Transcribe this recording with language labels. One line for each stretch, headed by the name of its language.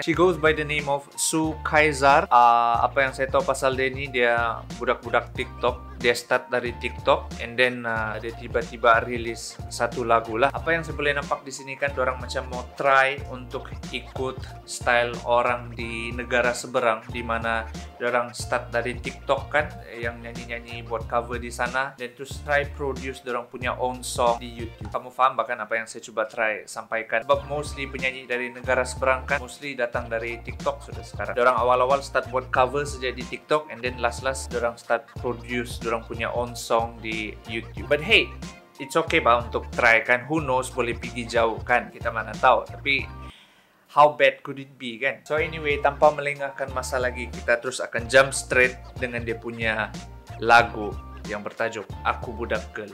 English: She goes by the name of Sue Kaiser.
Malay: Apa yang saya tahu pasal dia ni, dia budak-budak TikTok. Dia start dari TikTok
English: and then
Malay: dia tiba-tiba rilis satu lagu lah. Apa yang saya boleh nampak di sini kan, orang macam mau try untuk ikut style orang di negara seberang, di mana orang start dari TikTok kan, yang nyanyi-nyanyi buat cover di sana, dan terus try produce orang punya own song di YouTube. Kamu faham bahkan apa yang saya cuba try sampaikan? Sebab mostly penyanyi dari negara seberang kan, mostly datang dari TikTok sudah sekarang. Orang awal-awal start buat cover saja di TikTok and then last-last orang start produce dorang punya own song di YouTube.
English: But hey, it's okay
Malay: bah untuk try kan.
English: Who knows,
Malay: boleh pergi jauh kan. Kita mana tahu. Tapi
English: how bad could it be
Malay: kan. So anyway, tanpa melengahkan masa lagi, kita terus akan
English: jump straight
Malay: dengan dia punya lagu yang bertajuk Aku Budak Girl.